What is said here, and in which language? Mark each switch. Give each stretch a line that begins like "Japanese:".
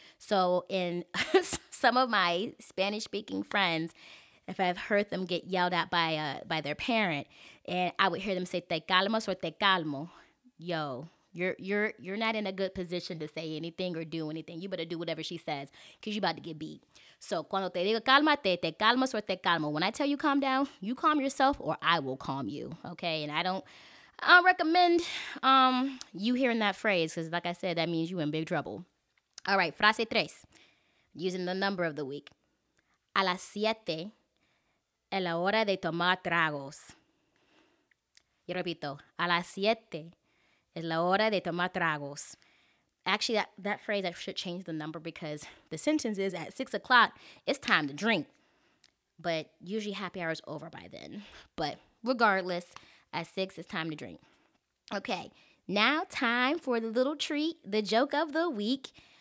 English: So in some of my Spanish-speaking friends, if I've heard them get yelled at by their parent, and I would hear them say,
Spanish: te calmas
English: or
Spanish: te calmo,
English: yo, you're not in a good position to say anything or do anything. You better do whatever she says because you're about to get beat.
Spanish: So, cuando te digo cálmate, te calmas o te calmo.
English: When I tell you calm down, you calm yourself or I will calm you, okay? And I don't recommend you hearing that phrase because, like I said, that means you're in big trouble. All right,
Spanish: frase tres,
English: using the number of the week.
Spanish: A las siete, es la hora de tomar tragos. Y repito, a las siete, es la hora de tomar tragos.
English: Actually, that phrase, I should change the number because the sentence is at 6 o'clock, it's time to drink. But usually happy hour is over by then. But regardless, at 6, it's time to drink. Okay, now time for the little treat, the joke of the week.